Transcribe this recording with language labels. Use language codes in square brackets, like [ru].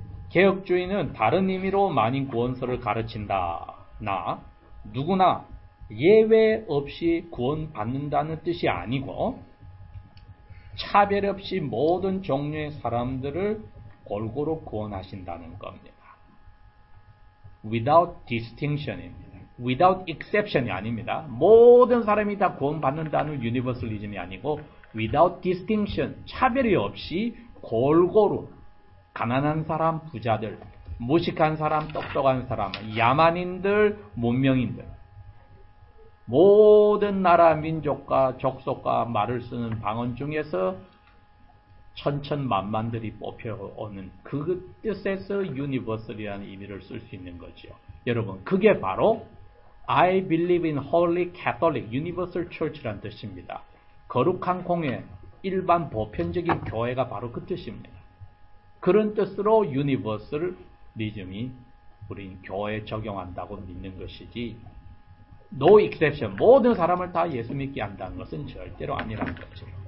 [ko] 개혁주의는 다른 의미로 만인 구원설을 가르친다나 누구나 예외 없이 구원 받는다는 뜻이 아니고 차별 없이 모든 종류의 사람들을 골고루 구원하신다는 겁니다. [en] Without distinction입니다. Without exception [ko] 이 아닙니다. 모든 사람이 다 구원 받는다는 유니버설리즘이 아니고 [en] Without distinction, [ko] 차별이 없이 골고루 가난한 사람, 부자들, 무식한 사람, 똑똑한 사람, 야만인들, 문명인들 모든 나라, 민족과 족속과 말을 쓰는 방언 중에서 천천만만들이 뽑혀오는 그 뜻에서 유니버설이라는 의미를 쓸 수 있는 거죠. [en] 여러분 그게 바로 I believe in Holy Catholic Universal Church [ko] 라는 뜻입니다. 거룩한 공회, 일반 보편적인 교회가 바로 그 뜻입니다. 그런 뜻으로 유니버설리즘이 우린 교회에 적용한다고 믿는 것이지 [en] No exception. [ko] 모든 사람을 다 예수 믿게 한다는 것은 절대로 아니라는 거죠.